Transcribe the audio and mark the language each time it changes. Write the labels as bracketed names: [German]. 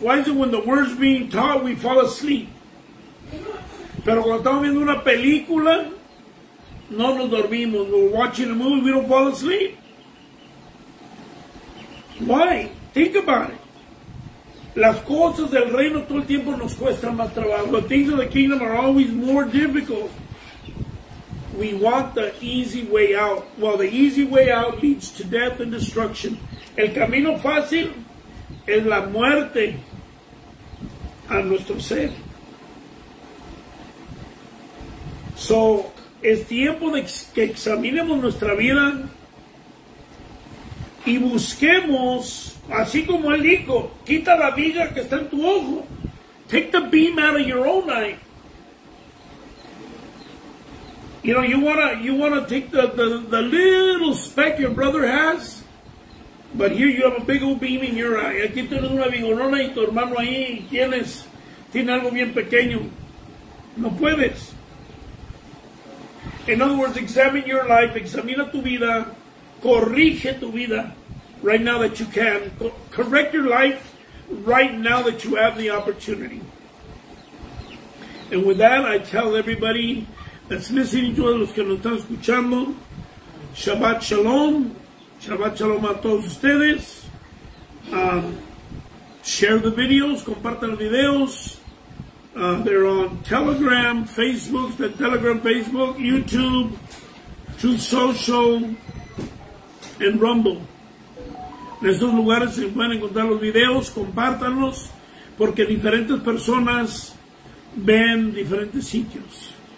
[English] Why is it when the word is being taught we fall asleep? [Spanish] Pero cuando estamos viendo una película, no nos dormimos. [English] We're watching a movie, we don't fall asleep. Why? Think about it. [Spanish] Las cosas del reino todo el tiempo nos cuestan más trabajo. [English] The things of the kingdom are always more difficult. We want the easy way out. Well, the easy way out leads to death and destruction. [Spanish] El camino fácil es la muerte a nuestro ser. So, es tiempo de que examinemos nuestra vida y busquemos, así como Él dijo, quita la viga que está en tu ojo. [English] Take the beam out of your own eye. You know, you wanna take the little speck your brother has, but here you have a big old beam in your eye. [Spanish] Aquí tienes una vigorona y tu hermano ahí tiene algo bien pequeño. No puedes. [English] In other words, examine your life, examina tu vida, corrige tu vida right now that you can. Correct your life right now that you have the opportunity. And with that, I tell everybody that's listening to us, [Spanish] los que nos están escuchando, [English] Shabbat Shalom. [Spanish] Shabbat Shalom a todos ustedes. [English] Share the videos, [Spanish] compartan los videos. [English] They're on Telegram, Facebook, YouTube, Truth Social, and Rumble. [Spanish] En estos lugares se pueden encontrar los videos, compártanlos, porque diferentes personas ven diferentes sitios.